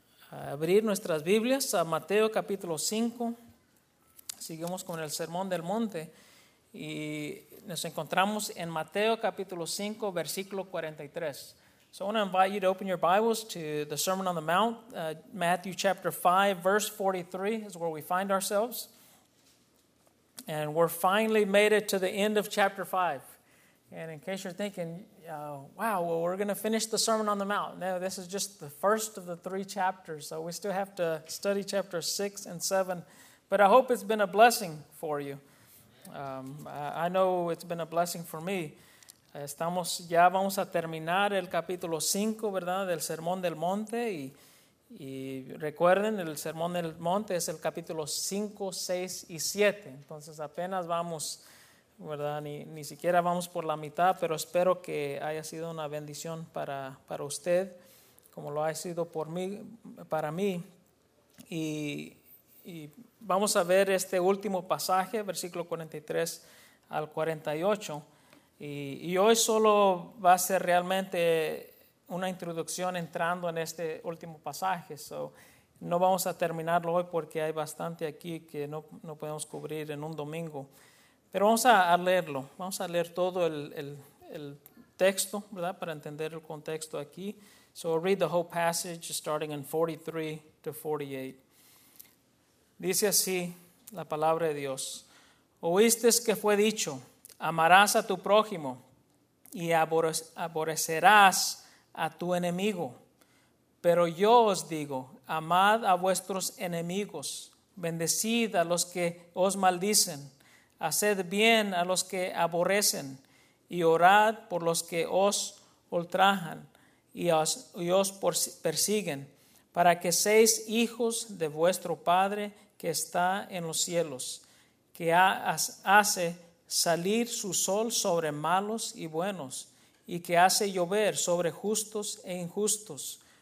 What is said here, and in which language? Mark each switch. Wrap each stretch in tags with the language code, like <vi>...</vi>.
<es>Abrir nuestras Biblias a Mateo capítulo 5. Seguimos con el Sermón del Monte y nos encontramos en Mateo capítulo 5, versículo 43.</es> <en>So I want to invite you to open your Bibles to the Sermon on the Mount, Matthew chapter 5, verse 43 is where we find ourselves. And we're finally made it to the end of chapter 5. And in case you're thinking, wow, well, we're going to finish the Sermon on the Mount. No, this is just the first of the three chapters, so we still have to study chapters 6 and 7. But I hope it's been a blessing for you. I know it's been a blessing for me.</en> <es>Estamos, ya vamos a terminar el capítulo 5, ¿verdad?, del Sermón del Monte. Y recuerden, el Sermón del Monte es el capítulo 5, 6 y 7. Entonces apenas vamos, ¿verdad?, ni siquiera vamos por la mitad, pero espero que haya sido una bendición para usted, como lo ha sido por mí, para mí. Y vamos a ver este último pasaje, versículo 43 al 48. Y hoy solo va a ser realmente una introducción entrando en este último pasaje. So, no vamos a terminarlo hoy porque hay bastante aquí que no podemos cubrir en un domingo. Pero vamos a leerlo, vamos a leer todo el texto, ¿verdad?, para entender el contexto aquí.</es> <en>So we'll read the whole passage starting in 43 to 48.</en> <es>Dice así la palabra de Dios: oísteis que fue dicho, amarás a tu prójimo y aborrecerás a tu enemigo. Pero yo os digo, amad a vuestros enemigos, bendecid a los que os maldicen, haced bien a los que aborrecen y orad por los que os ultrajan y os persiguen, para que seáis hijos de vuestro Padre que está en los cielos, que hace salir su sol sobre malos y buenos y que hace llover sobre justos e injustos.</es>